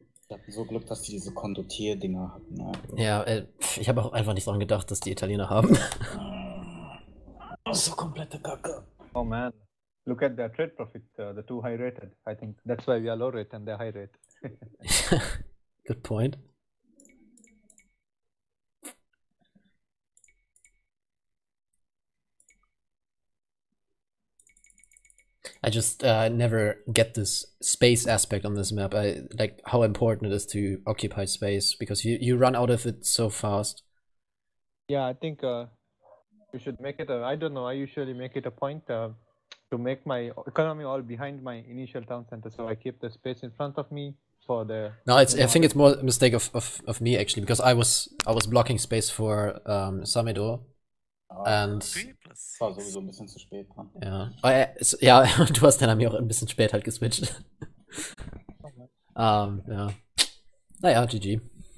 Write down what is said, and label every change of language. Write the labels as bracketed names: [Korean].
[German] Ich hab so Glück, dass die diese Kondottier-Dinger hatten. Ne? Ja, ich habe auch einfach nicht dran gedacht, dass die Italiener haben. So komplette Kacke. [English] Oh man, look at their trade profit, the two high rated. I think that's why we are low rated and they're high rated. Good point. I just never get this space aspect on this map. I like how important it is to occupy space because you run out of it so fast. Yeah, I think we should make it I don't know, I usually make it a point to make my economy all behind my initial town center, so I keep the space in front of me for the No, it's I think it's more a mistake of me actually, because I was blocking space for Samedor. And [German] war sowieso ein bisschen zu spät, ne? Ja. Oh, ja, du hast deine Armee auch ein bisschen spät halt geswitcht. Ja. Naja, GG.